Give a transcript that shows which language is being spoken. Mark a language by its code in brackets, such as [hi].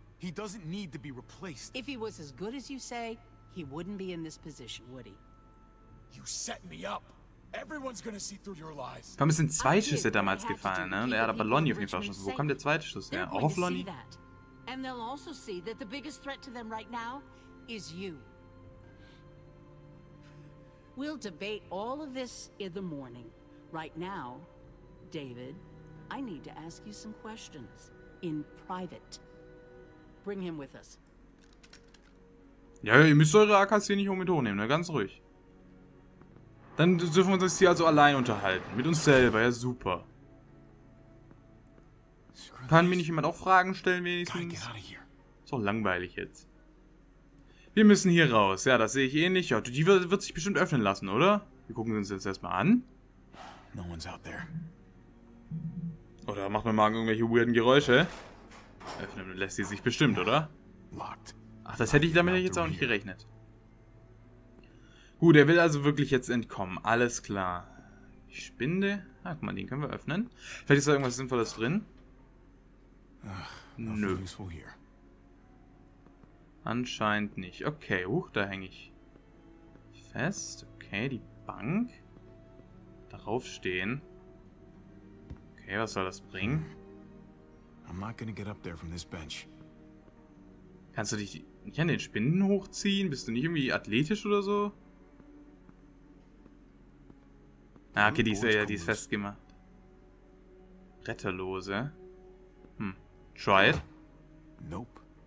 [en] He doesn't need to be replaced. If he was as good as you say, he wouldn't be in this position, would he? You set me up. Everyone's gonna see through your lies. [de] Komm, es sind zwei Schüsse damals gefallen, ne? Er hat aber Lonnie auf jeden Fall schon. Wo kommt der zweite Schuss her? Auf Lonnie? [en] And they'll also see that the biggest threat to them right now is you. We'll debate all of this in the morning. Right now, David, I need to ask you some questions. In private. Bring him with us. [de] Ja, ihr müsst eure AKs hier nicht um mit hochnehmen, ne? Ganz ruhig. Dann dürfen wir uns hier also allein unterhalten. Mit uns selber, ja super. Kann mir nicht jemand auch Fragen stellen, wenigstens? Ist doch langweilig jetzt. Wir müssen hier raus. Ja, das sehe ich eh nicht. Ja, die wird sich bestimmt öffnen lassen, oder? Wir gucken uns das erstmal an. [en] No one's out there. [de] Oder macht mein Magen irgendwelche weirden Geräusche? Öffnen lässt sie sich bestimmt, oder? Ach, das hätte ich damit jetzt auch nicht gerechnet. Gut, er will also wirklich jetzt entkommen. Alles klar. Die Spinde. Ah, guck mal, den können wir öffnen. Vielleicht ist da irgendwas Sinnvolles drin. Nö. Anscheinend nicht. Okay, huch, da hänge ich fest. Okay, die Bank. Darauf stehen. Okay, was soll das bringen? [en] I'm not gonna get up there from this bench. [de] Kannst du dich nicht an den Spinden hochziehen? Bist du nicht irgendwie athletisch oder so? Ah, okay, die ist festgemacht. Retterlose. [en] Try it. Nope.